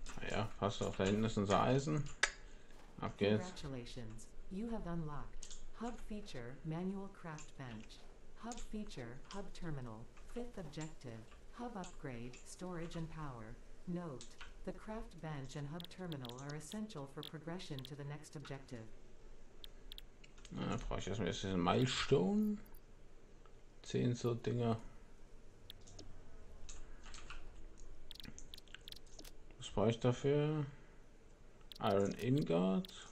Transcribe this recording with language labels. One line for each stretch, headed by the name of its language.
German: Ja, passt auf, da hinten ist unser Eisen. Ab geht's.
English: Congratulations. You have unlocked hub feature manual craft bench. Hub feature hub terminal. Fifth objective. Hub upgrade, storage and power. Note: The craft bench and hub terminal are essential for progression to the next objective.
German: Na, da brauche ich erstmal jetzt diesen Milestone. 10 so Dinger. Was brauche ich dafür? Iron Ingot.